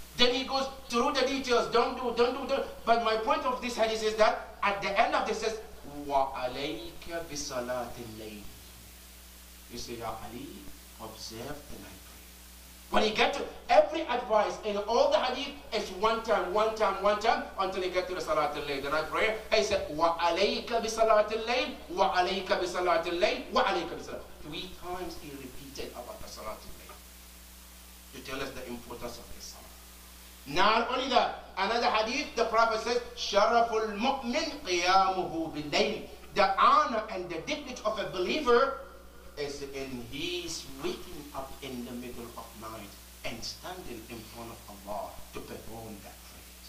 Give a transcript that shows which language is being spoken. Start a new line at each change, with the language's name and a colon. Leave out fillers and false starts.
English: Then he goes through the details. Don't do. But my point of this hadith is that at the end of this, says,
Arabic: وَعَلَيْكَ بِصَلَاتِ اللَّيْلِ.
English: You say, Ya Ali, observe the night prayer. When he gets to every advice in all the hadith, it's one time, until he gets to the Salatul Layl, the night prayer. He said,
Arabic: وَعَلَيْكَ بِصَلَاتِ اللَّيْلِ, وَعَلَيْكَ بِصَلَاتِ اللَّيْلِ, وَعَلَيْكَ بِصَلَاتِ اللَّيْلِ.
English: 3 times he repeated about the Salatul Layl to tell us the importance of this Salat. Not only that, another hadith, the Prophet says,
Arabic: شَرَفُ الْمُؤْمِنْ قِيَامُهُ بِاللَّيْلِ.
English: The honor and the dignity of a believer is in his waking up in the middle of night and standing in front of Allah to perform that prayer.